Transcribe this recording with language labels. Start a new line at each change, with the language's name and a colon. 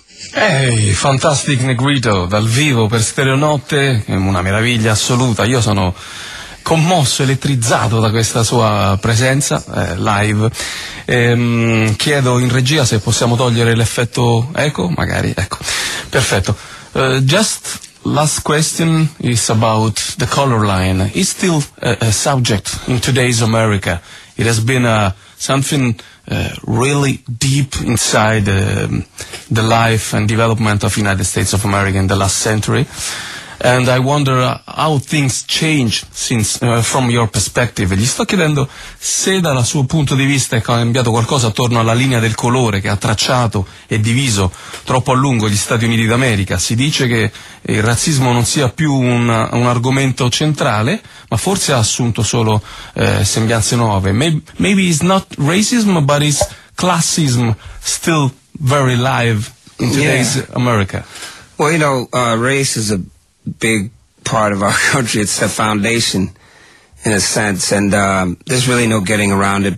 Italian: Fantastic Negrito dal vivo per Stereonotte, una meraviglia assoluta. Io sono commosso, elettrizzato da questa sua presenza live. Chiedo in regia se possiamo togliere l'effetto eco, magari, ecco. Perfetto.
English: Just last question is about the color line. It's still a subject in today's America. It has been something really deep inside the life and development of United States of America in the last century, and I wonder how things change since from your perspective.
Italian: Gli sto chiedendo se dal suo punto di vista è cambiato qualcosa attorno alla linea del colore che ha tracciato e diviso troppo a lungo gli Stati Uniti d'America. Si dice che il razzismo non sia più un argomento centrale, ma forse ha assunto solo sembianze nuove.
English: Maybe it's not racism, but it's classism still very live in today's America. Well, you know, race is a big part of our country. It's the foundation, in a sense, and there's really no getting around it.